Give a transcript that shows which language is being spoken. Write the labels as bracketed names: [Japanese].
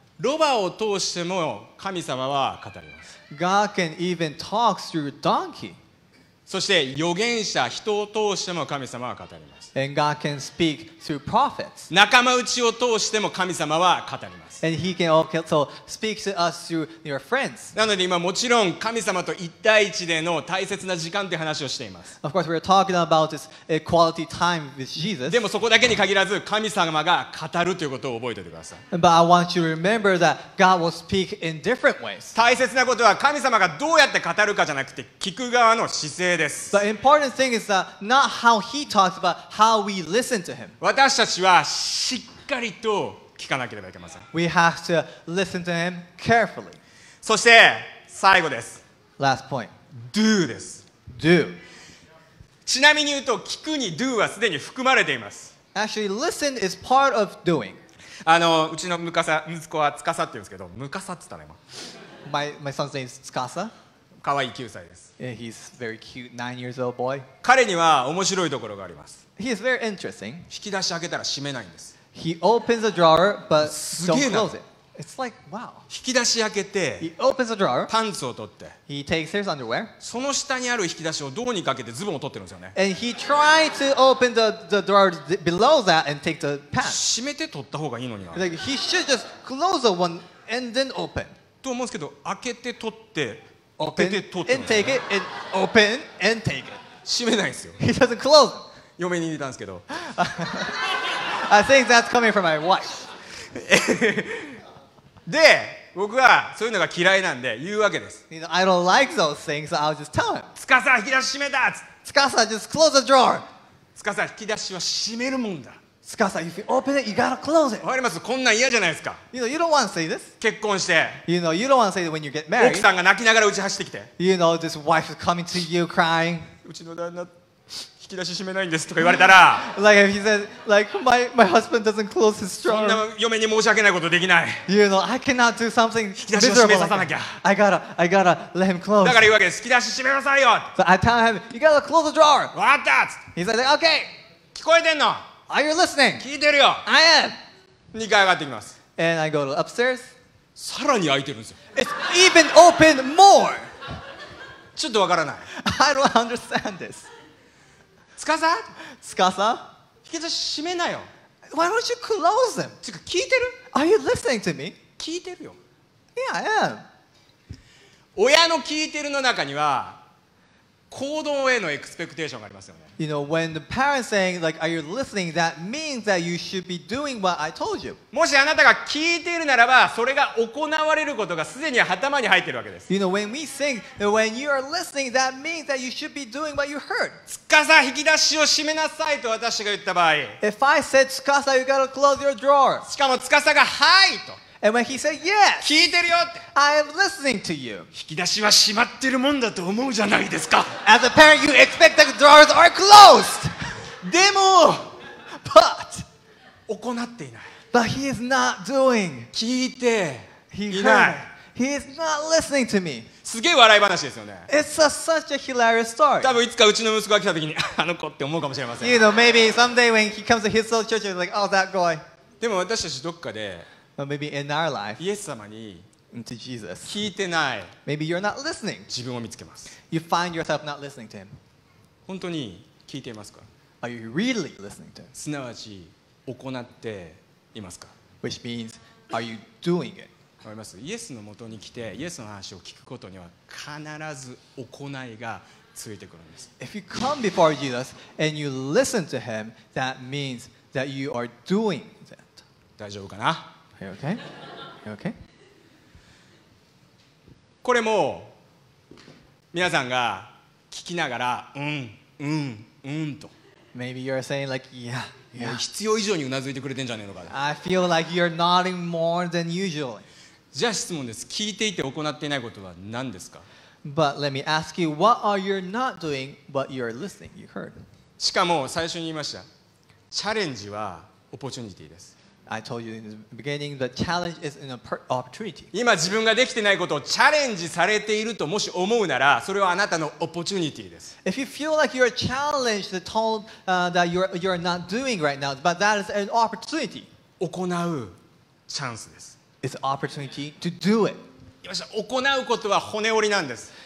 [Japanese] ロバを通しても神様は語ります。 [English] God can even talk through donkey. [Japanese] そして預言者人を通しても神様は語ります。 [English] And God can speak through prophets. [Japanese] 仲間内を通しても神様は語ります。 [English] And He can also speak to us through your friends. [Japanese] なので今もちろん神様と一対一での大切な時間という話をしています。 [English] Of course, we're talking about this quality time with Jesus. [Japanese] でもそこだけに限らず神様が語るということを覚えておいてください。 [English] But I want you to remember that God will speak in different ways. [Japanese] 大切なことは神様がどうやって語るかじゃなくて聞く側の姿勢です。 [English] The important thing is that not how He talks, but How we listen to him. [Japanese] 私たちはしっかりと聞かなければいけません。 [English] We have to listen to him carefully. [Japanese] そして最後です。 [English] Last point. [Japanese] Do です。 [English] Do. [Japanese] ちなみに言うと聞くに do はすでに含まれています。 [English] Actually, listen is part of doing. [Japanese] うちの息子は司って言うんですけど、司って言ったね、今。 [English] My son's name is 司。 [Japanese] かわいい9歳です。 [English] He's very cute, 9 years old boy. [Japanese] 彼には面白いところがあります。 [English] He is very interesting. [Japanese] 引き出し開けたら閉めないんです。 [English] He opens a drawer but don't close it. It's like wow. [Japanese] 引き出し開けて、 [English] He opens a drawer. [Japanese] パンツを取って、 [English] He takes his underwear. [Japanese] その下にある引き出しをどうにか開けてズボンを取ってるんですよね。 [English] And he tried to open the drawer below that and take the pants. [Japanese] 閉めて取った方がいいのにな。 [English] Like he should just close the one and then open. [Japanese] と思うんですけど、開けて取って、 [English] open [Japanese] て取って、 [English] and take it and open and take it. [Japanese] 閉めないんですよ。 [English] He doesn't close. [Japanese] 嫁に似たんですけど。 [English] I think that's coming from my wife. [Japanese] で、僕はそういうのが嫌いなんで言うわけです。 [English] You know, I don't like those things, so I'll just tell him. [Japanese] つかさ、引き出し閉めた。 [English] つかさ、just close the drawer. [Japanese] つかさ、引き出しは閉めるもんだ。 [English] つかさ、if you open it, you gotta close it. [Japanese] わかります。こんなん嫌じゃないですか。 [English] You know, you don't want to say this. [Japanese] 結婚して。 [English] You know, you don't want to say that when you get married. [Japanese] 奥さんが泣きながら家走ってきて。 [English] You know, this wife is coming to you crying. [Japanese] うちの旦那。引き出し閉めないんですとか言われたら、 [English] like if he said, like my husband doesn't close his drawer. [Japanese] そんな嫁に申し訳ないことできない。 [English] You know, I cannot do something. [Japanese] 引き出しを閉めさせなきゃ。 [English] Like, I gotta let him close. [Japanese] だから言うわけです。引き出し閉めなさいよ。 [English] So I tell him, you gotta close the drawer. [Japanese] わかったっつって。 [English] He said, okay. [Japanese] 聞こえてんの [English] ？Are you listening? [Japanese] 聞いてるよ。 [English] I am. [Japanese] 2階上がってきます。 [English] And I go upstairs. [Japanese] さらに開いてるんですよ。 [English] It's even open more. [Japanese] ちょっとわからない。 [English] I don't understand this. [Japanese] つかさ？つかさ？引き出し閉めなよ。 [English] Why don't you close them? [Japanese] つか聞いてる？ [English] Are you listening to me? [Japanese] 聞いてるよ。 [English] Yeah, I am. [Japanese] 親の聞いてるの中には行動へのエクスペクテーションがありますよね。 [English] You know, when the parents saying like, are you listening? That means that you should be doing what I told you. [Japanese] もしあなたが聞いているならば、それが行われることがすでに頭に入っているわけです。 [English] You know, when we think, when you are listening, that means that you should be doing what you heard. [Japanese] つかさ、引き出しを閉めなさいと私が言った場合、 [English] If I said, つかさ, you gotta close your drawer. [Japanese] しかもつかさが、はいと。 [English] And when he said, yes, [Japanese] 聞いてるよって。 [English] I am listening to you. [Japanese] 引き出しは閉まってるもんだと思うじゃないですか。 [English] As a parent, you expect that drawers are closed. [Japanese] でも、 [English] But, [Japanese] 行っていない。 [English] But he is not doing. [Japanese] 聞いて、 [English] he [Japanese] いない。 [English] He is not listening to me. [Japanese] すげえ笑い話ですよね。 [English] It's a, such a hilarious story. [Japanese] 多分いつかうちの息子が来た時に、あの子って思うかもしれません。 [English] You know, maybe someday when he comes to his old church, he's like, oh, that guy. [Japanese] でも私たちどっかで、 [English] But maybe in our life, [Japanese] イエス様に、 [English] Into Jesus. [Japanese] 聞いてない。 [English] Maybe you're not listening. [Japanese] 自分を見つけます。 [English] You find yourself not listening to him. [Japanese] 本当に聞いていますか？ [English] Are you really listening to him? [Japanese] すなわち行っていますか？ [English] Which means, are you doing it? [Japanese] わかります。イエスの元に来て、イエスの話を聞くことには必ず行いがついてくるんです。 [English] If you come before Jesus and you listen to him, that means that you are doing that. [Japanese] 大丈夫かな？ [English] Are you okay? Are you okay? [Japanese] これも皆さんが聞きながらうんうんうんと [English] Maybe you're saying like, yeah, yeah. [Japanese] 必要以上にうなずいてくれてんじゃねえのか。 [English] I feel like you're nodding more than usually. [Japanese] じゃあ質問です。聞いていて行っていないことは何ですか？ [English] But let me ask you, what are you not doing but you're listening? You heard. [Japanese] しかも最初に言いました。チャレンジはオポチュニティです。 [English] I told you in the beginning, the challenge is an opportunity. [Japanese] 今自分ができてないことをチャレンジされているともし思うなら、それはあなたのオポチュニティです。 [English] If you feel like you're challenged, told, that you're not doing right now, but that is an opportunity. [Japanese] 行うチャンスです。 [English] It's an opportunity to do it. [Japanese] 行うことは骨折りなんです。